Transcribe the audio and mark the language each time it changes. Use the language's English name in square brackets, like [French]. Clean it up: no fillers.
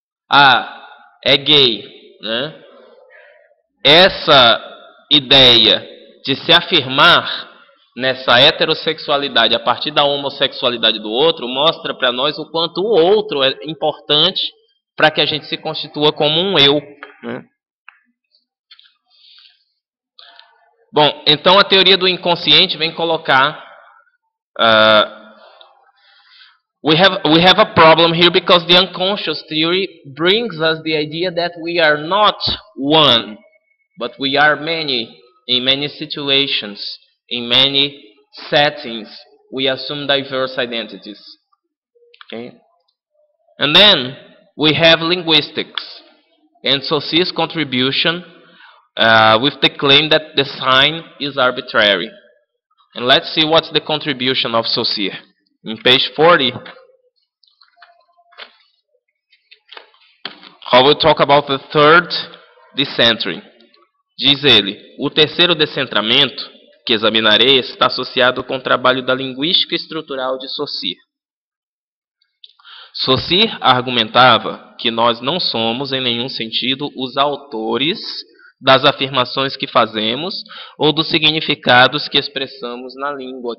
[Portuguese] Ah, é gay, né? Essa ideia de se afirmar nessa heterossexualidade a partir da homossexualidade do outro mostra para nós o quanto o outro é importante para que a gente se constitua como um eu. Né? Bom, então a teoria do inconsciente vem colocar... [English] We have a problem here because the unconscious theory brings us the idea that we are not one, but we are many. In many situations, in many settings, we assume diverse identities. Okay? And then we have linguistics and Saussure's contribution with the claim that the sign is arbitrary. And let's see what's the contribution of Saussure. In page 40, Hall will talk about the third decentering. [Portuguese] Diz ele, o terceiro decentramento que examinarei está associado com o trabalho da linguística estrutural de Saussure. Saussure argumentava que nós não somos, em nenhum sentido, os autores das afirmações que fazemos ou dos significados que expressamos na língua.